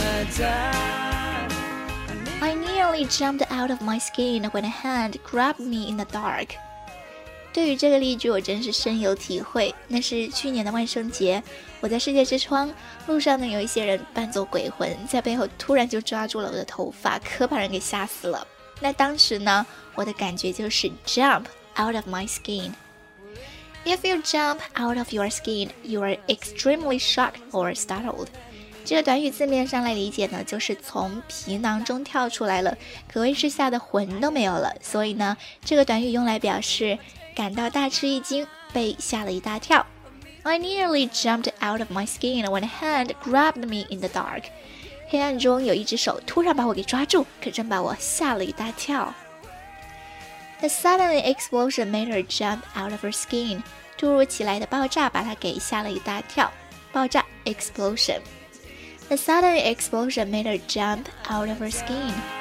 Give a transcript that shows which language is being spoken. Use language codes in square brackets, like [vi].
[en] I nearly jumped out of my skin when a hand grabbed me in the dark. [zh] 对于这个例句我真是深有体会，那是去年的万圣节，我在世界之窗路上呢，有一些人扮作鬼魂，在背后突然就抓住了我的头发，可把人给吓死了。那当时呢，我的感觉就是 [en] jump out of my skin. If you jump out of your skin, you are extremely shocked or startled. [zh] 这个短语字面上来理解呢，就是从皮囊中跳出来了，可谓是吓得魂都没有了。所以呢，这个短语用来表示感到大吃一惊，被吓了一大跳。 [en] I nearly jumped out of my skin when a hand grabbed me in the dark. [zh] 黑暗中有一只手突然把我给抓住，可真把我吓了一大跳。 [en] The sudden explosion made her jump out of her skin. [zh] 突如其来的爆炸把她给吓了一大跳。爆炸 explosion. [en] The sudden explosion made her jump out of her skin.